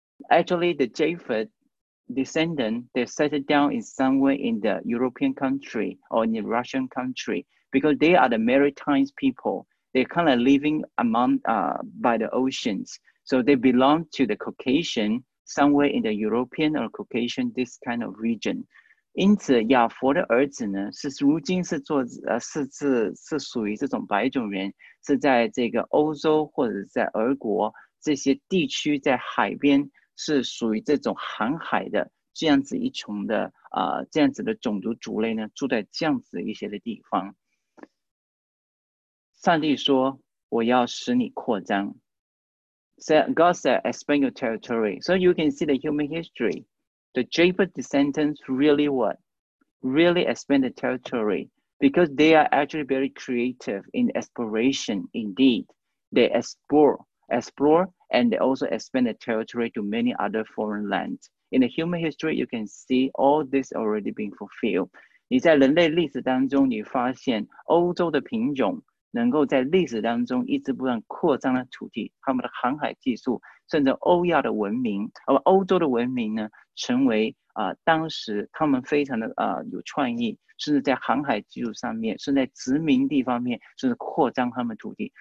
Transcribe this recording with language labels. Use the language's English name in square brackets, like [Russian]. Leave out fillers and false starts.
[English] Actually, the Japheth descendant, they settled down in somewhere in the European country or in the Russian country because they are the maritime people. They're kind of living among, by the oceans. So they belong to the Caucasian,somewhere in the European or Caucasian, this kind of region. [Chinese] 因此亚佛的儿子呢是如今是做、啊、是属于这种白种人，是在这个欧洲或者在俄国这些地区，在海边是属于这种航海的这样子一群的、这样子的种族族类呢，住在这样子一些的地方。上帝说我要使你扩张， [English] God said, expand your territory. So you can see the human history. The Japheth descendants really what? Really expand the territory. Because they are actually very creative in exploration. Indeed, they explore and they also expand the territory to many other foreign lands. In the human history, you can see all this already being fulfilled. [Chinese] 你在人类历史当中，你发现欧洲的品种能够在历史当中一直不断扩张的土地，他们的航海技术，甚至欧亚的文明，欧洲的文明呢，成为、当时他们非常的、有创意，甚至在航海技术上面，甚至在殖民地方面，甚至扩张他们土地。